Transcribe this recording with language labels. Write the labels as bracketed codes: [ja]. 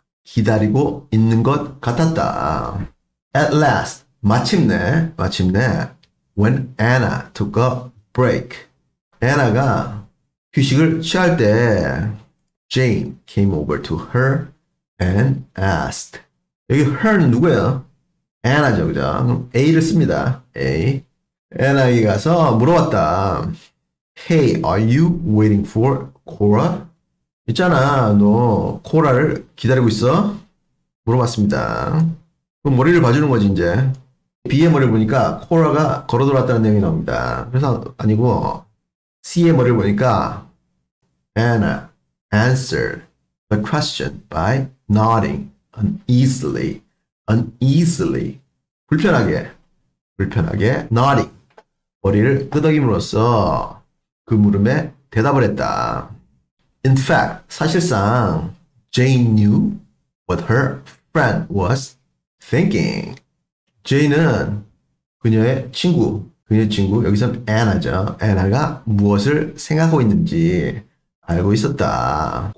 [ko] 기다리고 있는 것 같았다. [en] At last, [ko] 마침내, [en] when Anna took a break. [ko] 애나가 휴식을 취할 때, [en] Jane came over to her and asked. [ko] 여기 her는 누구예요? 애나죠, 그죠? 그럼 A를 씁니다. A. 애나에게 가서 물어봤다. [en] Hey, are you waiting for Cora? [ko] 있잖아, 너 코라를 기다리고 있어? 물어봤습니다. 그럼 머리를 봐주는 거지, 이제. B의 머리를 보니까 코라가 걸어 돌았다는 내용이 나옵니다. 그래서 아니고, C의 머리를 보니까, [en] Anna answered the question by nodding uneasily, uneasily. [ko] 불편하게, nodding. 머리를 끄덕임으로써 그 물음에 대답을 했다. [en] In fact, [ko] 사실상, [en] Jane knew what her friend was thinking. [ko] 제인은 그녀의 친구, 여기서 애나죠. 애나가 무엇을 생각하고 있는지 알고 있었다.